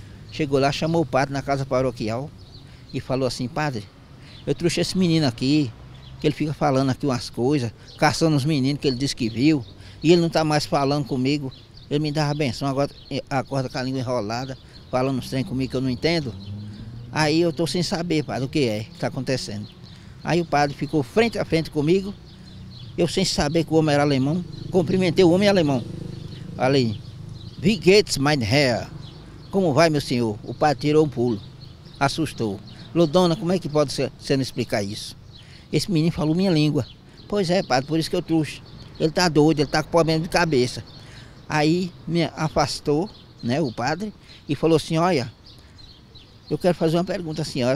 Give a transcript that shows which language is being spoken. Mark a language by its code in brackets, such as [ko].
[pt] Chegou lá, chamou o padre na casa paroquial e falou assim: padre, eu trouxe esse menino aqui, que ele fica falando aqui umas coisas, caçando os meninos que ele disse que viu, e ele não está mais falando comigo. Ele me dá a benção, agora acorda com a língua enrolada, falando sem comigo que eu não entendo. Aí eu estou sem saber, padre, o que é que está acontecendo. Aí o padre ficou frente a frente comigo, eu sem saber que o homem era alemão, cumprimentei o homem alemão. [de] Falei: wie geht's, mein Herr? [pt] Como vai, meu senhor? O padre tirou um pulo, assustou. Ludona, como é que pode você não explicar isso? Esse menino falou minha língua. Pois é, padre, por isso que eu trouxe. Ele está doido, ele está com problema de cabeça. Aí me afastou, né, o padre, e falou assim: olha, eu quero fazer uma pergunta à senhora.